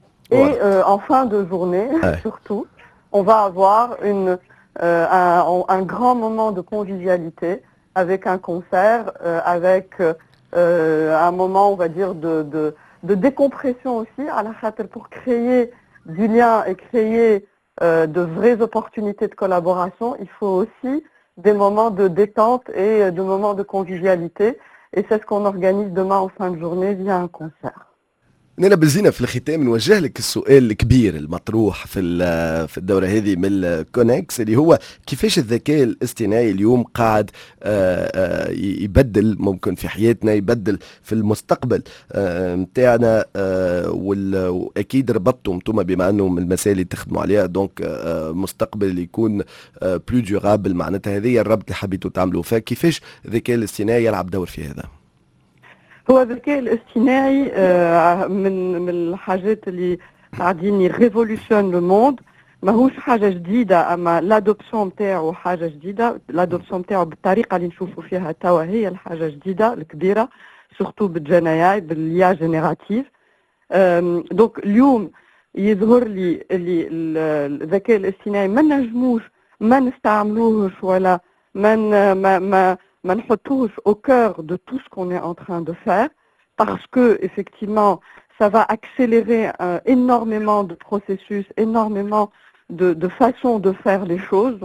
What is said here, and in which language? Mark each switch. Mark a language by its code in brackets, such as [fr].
[fr] Ouais. Et en fin de journée, ouais, surtout, on va avoir un grand moment de convivialité avec un concert, avec un moment, on va dire, de décompression aussi, à la fatale, pour créer du lien et créer de vraies opportunités de collaboration. Il faut aussi des moments de détente et de moments de convivialité. Et c'est ce qu'on organise demain en fin de journée via un concert. [ar] نلا بزينة في الختام نوجه لك السؤال الكبير المطروح في الدورة هذه من كونكس، اللي هو كيفاش الذكاء الاصطناعي اليوم قاعد يبدل ممكن في حياتنا، يبدل في المستقبل متاعنا، وأكيد ربطتم توما بما أنه من المسائل اللي تخدموا عليها، دونك مستقبل يكون بلو ديورابل، معناتها هذه الربط اللي حبيتوا تعملوا، فكيفاش الذكاء الاصطناعي يلعب دور في هذا؟ هو الذكاء الاصطناعي من الحاجات اللي قاعدين يريفولوشن لو موند، ماهوش حاجه جديده، اما لادوبسيون تاعو حاجه جديده، لادوبسيون تاعو بالطريقه اللي نشوفوا فيها توا هي الحاجه الجديده الكبيره، سورتو بالجين اي اي باليا جينيراتيف. دونك اليوم يظهر لي اللي الذكاء الاصطناعي ما نجموش ما نستعملوهش ولا ما نحطوش [fr] au cœur de tout ce qu'on est en train de faire, parce que effectivement ça va accélérer énormément de processus, énormément de façons de faire les choses.